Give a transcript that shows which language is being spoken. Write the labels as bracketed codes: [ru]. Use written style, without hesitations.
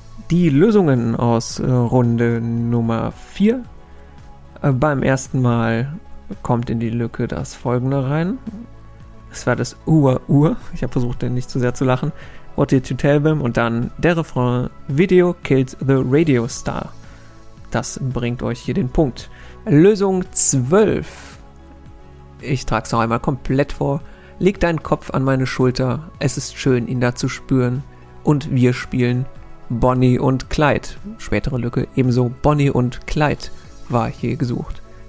[de] Die Lösungen aus Runde Nummer 4. Beim ersten Mal kommt in die Lücke das folgende rein. Es war das Ur. Ich habe versucht, den nicht zu sehr zu lachen. [en] What did you tell them? [de] Und dann der Refrain. [en] Video killed the radio star. [de] Das bringt euch hier den Punkt. Lösung 12. Ich trage es noch einmal komplett vor. Leg deinen Kopf an meine Schulter. Es ist schön, ihn da zu spüren. Und wir spielen Bonnie und Clyde. Spätere Lücke ebenso. Bonnie und Clyde war hier gesucht.